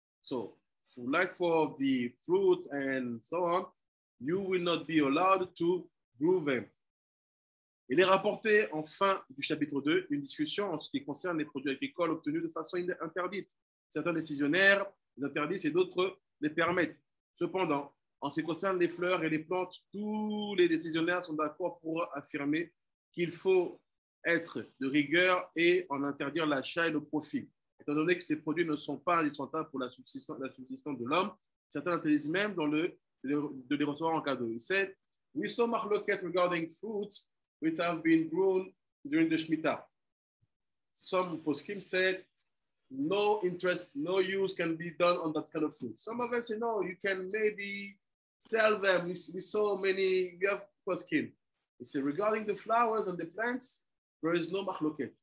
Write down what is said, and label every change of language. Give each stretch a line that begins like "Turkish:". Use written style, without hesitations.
English: So, like for the fruits and so on, you will not be allowed to grow them.
French: Il est rapporté en fin du chapitre 2 une discussion en ce qui concerne les produits agricoles obtenus de façon interdite. Certains décisionnaires les interdisent et d'autres les permettent. Cependant, en ce qui concerne les fleurs et les plantes, tous les décisionnaires sont d'accord pour affirmer qu'il faut être de rigueur et en interdire l'achat et le profit. Étant donné que ces produits ne sont pas indispensables pour la subsistance de l'homme, certains interdisent même dans de les recevoir en cadeau. Il dit,
English: we saw machloket regarding fruits which have been grown during the Shemitah. Some poskim said, no interest, no use can be done on that kind of food. Some of them say, no, you can maybe sell them. We saw many, we have poskim. They say, regarding the flowers and the plants, there is no machloket.